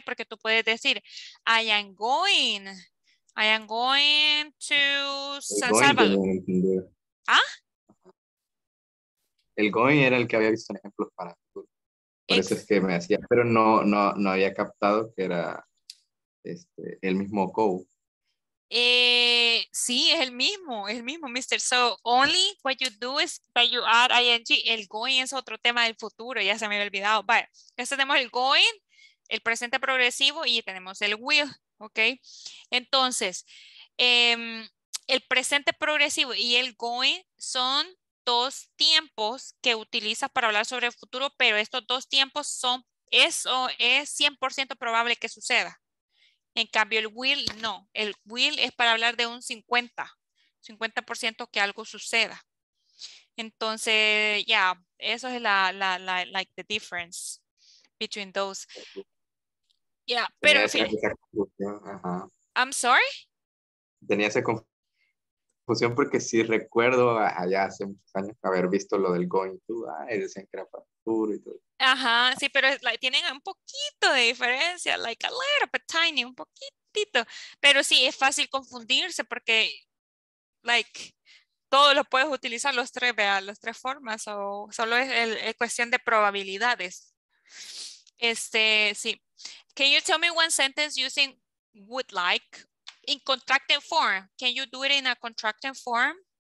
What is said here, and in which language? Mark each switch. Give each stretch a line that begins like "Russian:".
Spanish: Porque tú puedes decir,
English: I am going to
Spanish: San Salvador. ¿Ah? El going era el que había visto en ejemplos para el futuro. Por eso es que me decía, pero no había captado que era este, el mismo go. Sí, es el mismo, Mr.
English: So, only what you do is that you add ing.
Spanish: El going es otro tema del futuro, ya se me había olvidado. Vale, entonces tenemos el going, el presente progresivo y tenemos el will, ¿ok? Entonces, el presente progresivo y el going son dos tiempos que utilizas para hablar sobre el futuro, pero estos dos tiempos son, eso es 100% probable que suceda. En cambio, el will no. El will es para hablar de un 50% que algo suceda.
English: Entonces, yeah,
Spanish: eso es la
English: like the difference between those. Yeah, pero
Spanish: tenía esa confusión. Ajá.
English: I'm sorry.
Spanish: Tenía esa confusión porque sí recuerdo allá hace muchos años haber visto lo del going to, decían que era para futuro y todo. Ajá, sí, pero like, tienen un poquito de diferencia,
English: like a little bit tiny,
Spanish: un poquitito. Pero sí, es fácil confundirse porque, like, todo lo puedes utilizar, los tres, vea, las tres formas, o solo es cuestión de probabilidades. Este, sí.
English: Can you tell me one sentence using would like in contracted form? Can you do it in a contracted form?